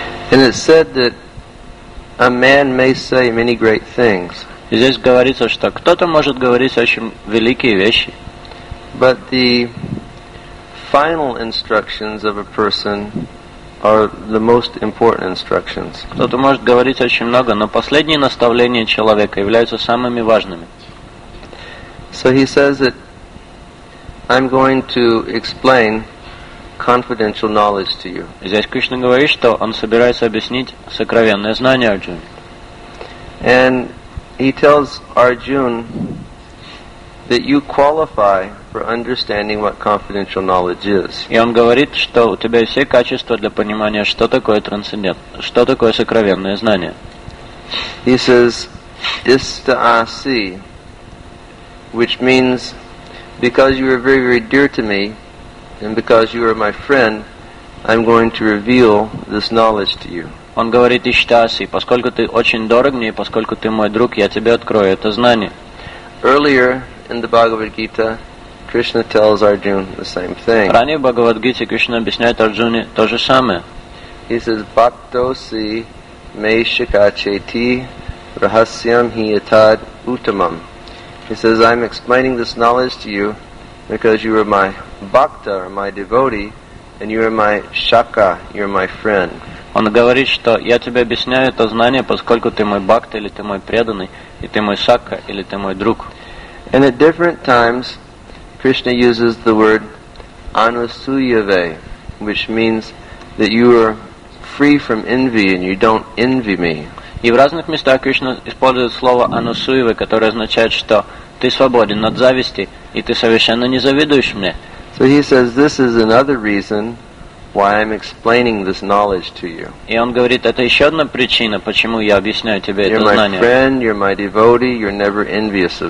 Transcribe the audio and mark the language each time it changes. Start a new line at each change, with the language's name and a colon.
English: And it's said that a man may say many great things.
Russian: Здесь говорится, что кто-то может говорить очень великие вещи.
English: But the final instructions of a person are the most important instructions.
Russian: Кто-то может говорить очень много, но последние наставления человека являются самыми важными.
English: So he says that I'm going to explain confidential knowledge to you.
Russian: Здесь Кришна говорит, что он собирается объяснить сокровенное знание Арджуне.
English: And he tells Arjuna that you qualify for understanding what confidential knowledge is.
Russian: И он говорит, что у тебя все качества для понимания, что такое трансцендент, что такое сокровенное знание.
English: He says, "Istasi," which means because you are very, very dear to me, and because you are my friend, I'm going to reveal this knowledge to you.
Russian: Он говорит Иштаси, поскольку ты очень дорог мне, поскольку ты мой друг, я тебе открою это знание.
English: Earlier in the Bhagavad Gita, Krishna tells Arjuna the same thing.
Russian: Ранее в Бхагавад-гите Кришна объясняет Арджуне то же самое.
English: He says,
Sanskrit: "Bhaktosi me shikacheti rahasyam hi yathad uttamam."
English: He says, "I'm explaining this knowledge to you because you are my bhakta, or my devotee, and you are my shaka, you are my friend."
Russian: Он говорит, что я тебе объясняю это знание, поскольку ты мой бхакта, или ты мой преданный, и ты мой сакха, или ты мой друг.
English: And at different times, Krishna uses the word anusuyave, which means that you are free from envy and you don't envy me.
Russian: И в разных местах Кришна использует слово анусуйве, которое означает, что ты свободен от зависти, и ты совершенно не завидуешь мне.
English: So he says, this is another reason why I'm explaining this knowledge to you.
Russian: И он говорит, это еще одна причина, почему я объясняю тебе это знание.
English: You're my friend, you're my devotee, you're never envious of me.